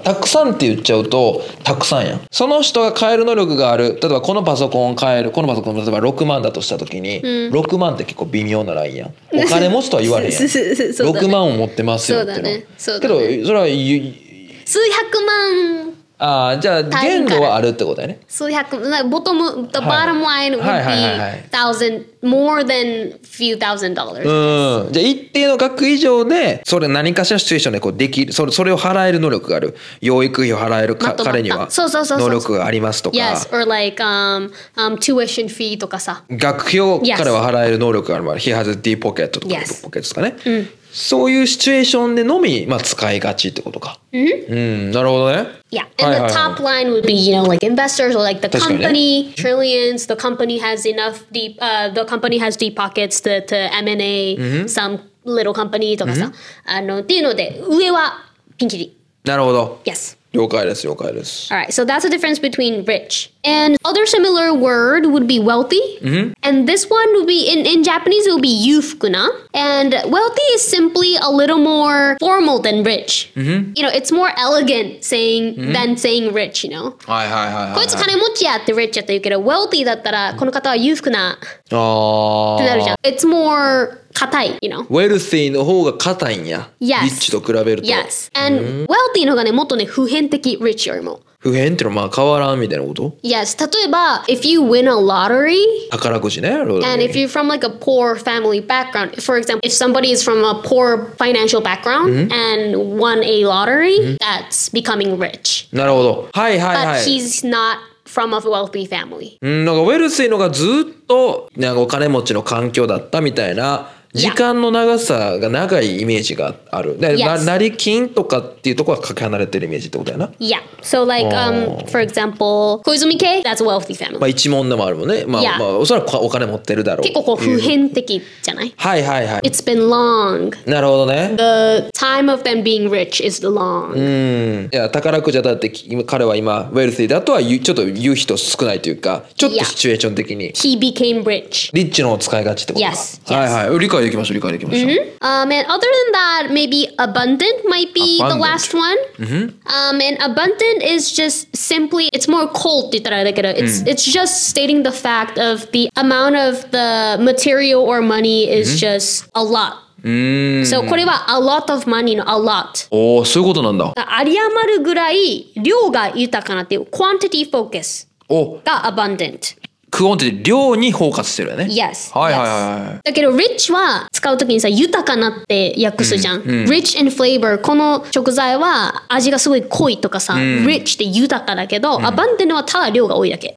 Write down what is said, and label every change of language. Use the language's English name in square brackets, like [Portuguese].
[Japanese] たくさんって言っちゃうとたくさんやん。その人が買える能力がある、例えばこのパソコンを買える、このパソコン例えば6万だとした時に、うん、 6万って結構微妙なラインやん。お金持つとは言われへんやん、ね、 6万を持ってますよっての。そうだ、ね、そうだね、けどそれは数百万。ああ、じゃあ限度はあるってことだよね。数百万、ボトム、 [English] the bottom line would be thousand more than few thousand dollars。 [Japanese] うん、じゃあ一定の額以上で、それ何かしらシチュエーションでこうできる、それを払える能力がある、養育費を払える、か、彼には能力がありますとか。 [English] Yes, or like tuition fee [Japanese] とかさ。学費を彼は払える能力がある、 [English] He has a deep pocket [Japanese] とか、 [English] yes. [Japanese] ポケットとかね。うん、そういうシチュエーションでのみ、まあ、使いがちってことか。 Mm-hmm. うん、なるほどね。 [English] Yeah, and the top line would be, you know, like investors or like the company, trillions, the company has enough deep, the company has deep pockets to M&A some little company [Japanese] とかさ。あの、っていうので、上はピンキリ。なるほど。 [English] Yes. [Japanese] 了解です、了解です。 [English] All right, so that's the difference between rich. And other similar word would be wealthy.、 Mm-hmm. And this one would be, in Japanese, it would be yufukuna. And wealthy is simply a little more formal than rich.、 Mm-hmm. You know, it's more elegant saying、mm-hmm. than saying rich, you know. [Japanese] はいはいはい。こいつ金持ちやって rich やって言うけど、wealthy だったらこの方は裕福な。ああ。ってなるじゃん。 [English] It's more... [Japanese] 硬い、 [English] you know? [Japanese] Wealthy の方が硬いんや、 [English] yes. [Japanese] Rich と比べると、 [English] yes. And [Japanese] wealthy の方がね、もっとね、普遍的 rich よりも。普遍ってのはまあ変わらんみたいなこと？ [English] Yes, [Japanese] 例えば [English] If you win a lottery [Japanese] 宝くじね、ロ [English] ー And if you're from like a poor family background, for example, if somebody is from a poor financial background and won a lottery, that's becoming rich. [Japanese] なるほど、はいはいはい。 [English] But he's notfrom a wealthy family. [Japanese] なんかウェルシーのがずっとなんかお金持ちの環境だったみたいな、時間の長さが長いイメージがある。で、 [English] yes. [Japanese] なり金とかっていうところはかけ離れてるイメージってことやな。 [English] Yeah. So like, for example, 小泉家 that's a wealthy family. [Japanese] まあ一問でもあるもんね。まあ、まあおそらくお金持ってるだろう。結構こう普遍的じゃない？はいはいはい。 [English] It's been long. [Japanese] なるほどね。 [English] The time of them being rich is long. [Japanese] いや、宝くじだって彼は今ウェルシーだとはちょっと言う人少ないというか、ちょっとシチュエーション的に。 [English] Yeah. He became rich. [Japanese] リッチの使いがちってことか。 [English] Yes. [Japanese] はいはい。理解できましょう、理解できましょう。 [English] And other than that, maybe abundant might be the last one. And abundant is just simply, it's more cold [Japanese] って言ったらあれだけど、 [English] it's just stating the fact of the amount of the material or money is just a lot. So [Japanese] これは [English] a lot of money の a lot. [Japanese] おー、そういうことなんだ。あり余るぐらい量が豊かなっていう [English] quantity focus [Japanese] が abundant。クオンって量にフォーカスしてるよね。 [English] Yes. [Japanese] はいはいはい。だけど、rich は使うときにさ、豊かなって訳すじゃん。 [English] Rich in flavor. [Japanese] この食材は味がすごい濃いとかさ、rich って豊かだけど、abundant はただ量が多いだけ。